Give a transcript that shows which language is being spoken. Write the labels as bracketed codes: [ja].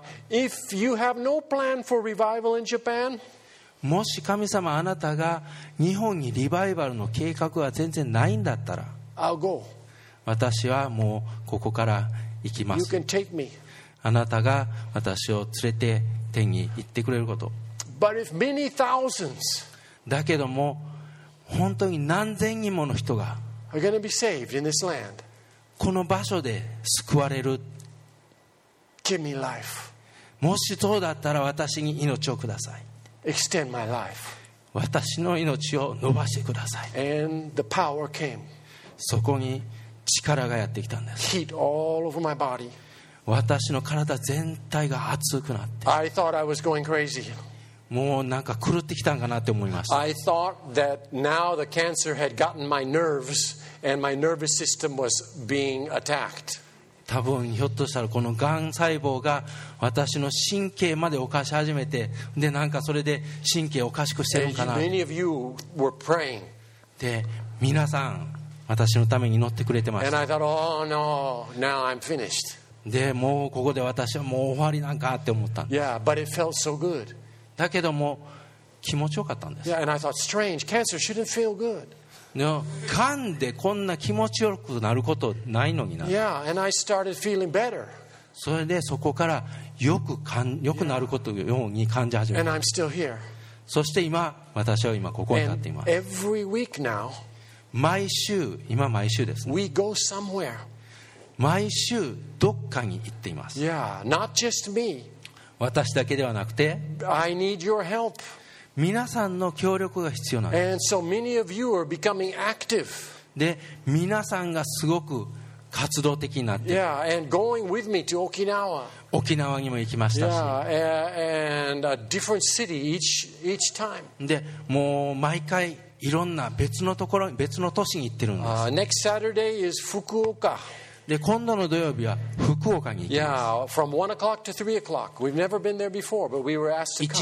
[en] If you have no plan for revival in Japan, [ja] もし神様あなたが日本にリバイバルの計画は全然ないんだったら、 [en] I'll go. [ja] 私はもうここから行きます。 [en] You can take me. [ja] あなたが私を連れて天に行ってくれること。 [en] But if many thousands [ja] だけども本当に何千人もの人が [en] are going to be saved in this land. [ja] この場所で救われる。 [en] Give me life. [ja] もしそうだったら私に命をください。 [en] Extend my life. [ja] 私の命を伸ばしてください。 [en] And the power came. [ja] そこに力がやってきたんです。 [en] Heat all over my body. [ja] 私の体全体が熱くなって、 [en] I thought I was going crazy. [ja] もうなんか狂ってきたんかなって思います。 [en] I thought that now the cancer had gotten my nerves and my nervous system was being attacked. [ja] 多分ひょっとしたらこのがん細胞が私の神経まで侵し始めて、でなんかそれで神経をおかしくしてるんかな。 [en] Many of you were praying. [ja] で皆さん私のために祈ってくれてました。 [en] And I thought, oh no, now I'm finished. [ja] でもうここで私はもう終わりなんかって思ったんです。 [en] Yeah, but it felt so good. [ja] だけども気持ちよかったんです。 [en] Yeah, and I thought, strange. Cancer shouldn't feel good. [ja] No, がんでこんな気持ちよくなることないのにな。 [en] Yeah, and I started feeling better. [ja] それでそこからよくなることように感じ始めた。 [en] And I'm still here. [ja] そして今私は今ここに立っています。 [en] And every week now, [ja] 毎週今毎週ですね。 [en] We go somewhere. [ja] 毎週どっかに行っています。 [en] Yeah, not just me. [ja] 私だけではなくて、 [en] I need your help. [ja] 皆さんの協力が必要なんです。 [en] And so many of you are becoming active. [ja] で、皆さんがすごく活動的になって、 [en] yeah, and going with me to Okinawa. [ja] 沖縄にも行きましたし、 [en] yeah, and a different city each time. [ja] で、もう毎回いろんな別のところ、別の都市に行ってるんです。 [en] Next Saturday is Fukuoka. [ja] で今度の土曜日は福岡に行きます。 [en] Yeah, from 1 o'clock to 3 o'clock. We've never been there before, but we were asked to come.